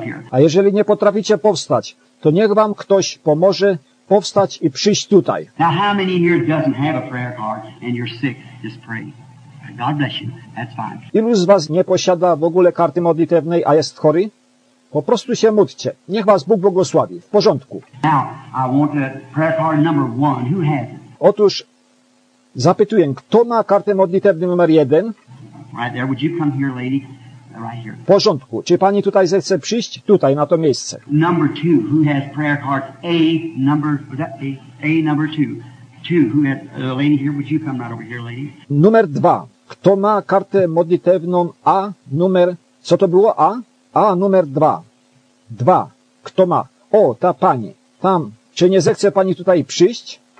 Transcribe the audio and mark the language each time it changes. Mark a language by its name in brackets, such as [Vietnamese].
[Polish] A jeżeli nie potraficie powstać, to niech wam ktoś pomoże powstać i przyjść tutaj. [English] Now how many here doesn't have a prayer card and you're sick? Just pray. God bless you. That's fine. [Polish] Ilu z was nie posiada w ogóle karty modlitewnej, a jest chory? Po prostu się módlcie. Niech was Bóg błogosławi. W porządku. [English] Now, I want a prayer card number one. Who has it? [Polish] Otóż zapytuję, kto ma kartę modlitewną numer jeden? [English] Right there. Would you come here, lady? Right here. [Polish] W porządku. Czy pani tutaj zechce przyjść? Tutaj, na to miejsce. [English] Number two. Who has prayer card? A number two. Who has, lady here, would you come right over here, lady? [Polish] Numer dwa. Kto ma kartę modlitewną A numer... Co to było A? A numer dwa. Dwa. Kto ma? O, ta pani. Tam. Czy nie zechce pani tutaj przyjść?